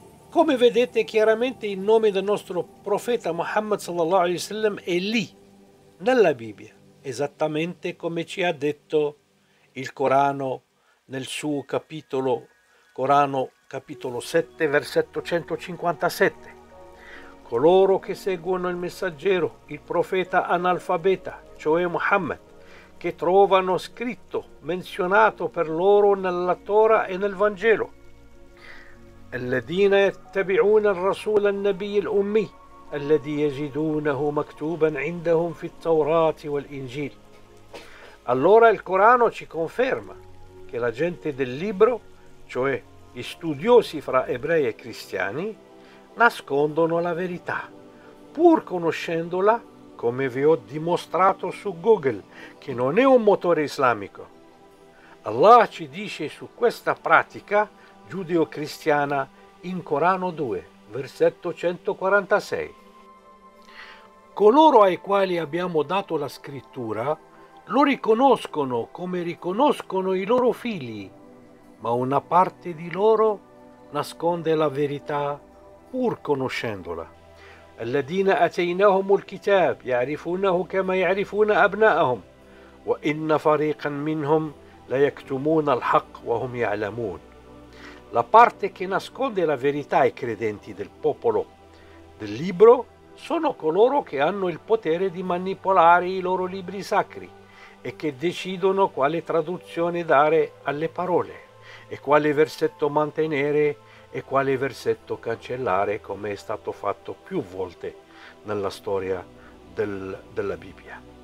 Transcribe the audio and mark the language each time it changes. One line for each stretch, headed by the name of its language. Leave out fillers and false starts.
Italian: Come vedete chiaramente il nome del nostro profeta Muhammad sallallahu alaihi wasallam è lì, nella Bibbia, esattamente come ci ha detto il Corano nel suo capitolo, Corano capitolo 7, versetto 157. Coloro che seguono il messaggero, il profeta analfabeta, cioè Muhammad, che trovano scritto, menzionato per loro nella Torah e nel Vangelo.
Arabic: الذين يتبعون الرسول النبي الأمي الذي يجدونه مكتوبا عندهم في التوراة والإنجيل.
Italian: Allora il Corano ci conferma che la gente del libro, cioè gli studiosi fra ebrei e cristiani, nascondono la verità, pur conoscendola, come vi ho dimostrato su Google, che non è un motore islamico. Allah ci dice su questa pratica giudeo-cristiana in Corano 2, versetto 146. Coloro ai quali abbiamo dato la scrittura lo riconoscono come riconoscono i loro figli, ma una parte di loro nasconde la verità pur conoscendola.
Arabic: الذين أتيناهم الكتاب يعرفونه كما يعرفون أبناءهم وإن فريقا منهم ليكتمون الحق وهم يعلمون.
Italian: La parte che nasconde la verità ai credenti del popolo del libro sono coloro che hanno il potere di manipolare i loro libri sacri e che decidono quale traduzione dare alle parole e quale versetto mantenere e quale versetto cancellare, come è stato fatto più volte nella storia della Bibbia.